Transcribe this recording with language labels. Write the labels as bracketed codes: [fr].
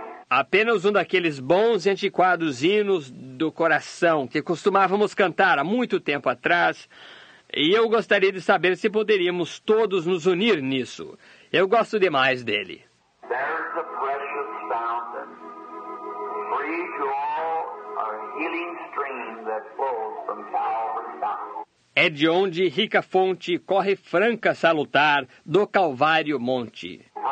[pt] Apenas um daqueles bons e antiquados hinos do coração que costumávamos cantar há muito tempo atrás. E eu gostaria de saber se poderíamos todos nos unir nisso. Eu gosto demais dele. [en] There's a precious fountain, free to all, a healing stream that flows from Calvary. [pt] É de onde rica fonte corre franca salutar do Calvário Monte.